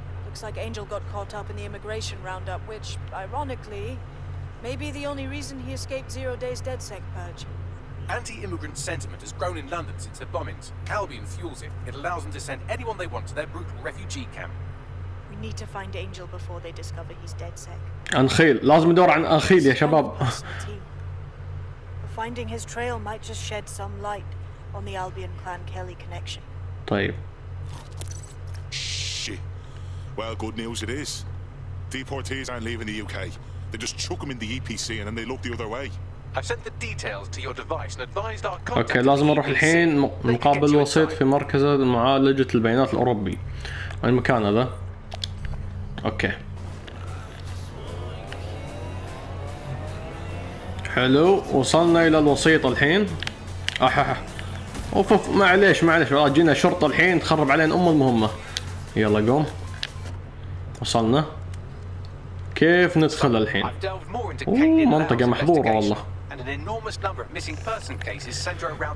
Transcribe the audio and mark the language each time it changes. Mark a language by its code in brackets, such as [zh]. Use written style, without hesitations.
[en] Looks like Angel got caught up in the immigration roundup, which, ironically, may be the only reason he escaped Zero Day's DedSec purge. Anti-immigrant sentiment has grown in London since the bombings. Albion fuels it. It allows them to send anyone they want to their brutal refugee camp. We need to find Angel before they discover he's dead sick. [ar] Anxil, لازم ندور عن Anxil يا شباب. [en] Finding his trail might just shed some light on the Albion Clan Kelly connection. [ar] طيب. [en] Shit. Well, good news it is. Deportees aren't leaving the UK. They just chuck them in the EPC and then they look the other way. I've sent the details to your device and advised our contact. [ar] Okay, لازم نروح الحين مقابل وسيط في مركز معالجة البيانات الأوروبي. المكان هذا. أوكي. حلو وصلنا إلى الوسيط الحين. أحاح. أوف معليش معليش والله جينا شرطة الحين تخرب علينا أم المهمة. يلا قوم. وصلنا. كيف ندخل الحين؟ منطقة محظورة والله. [en] And an enormous number of missing person cases center around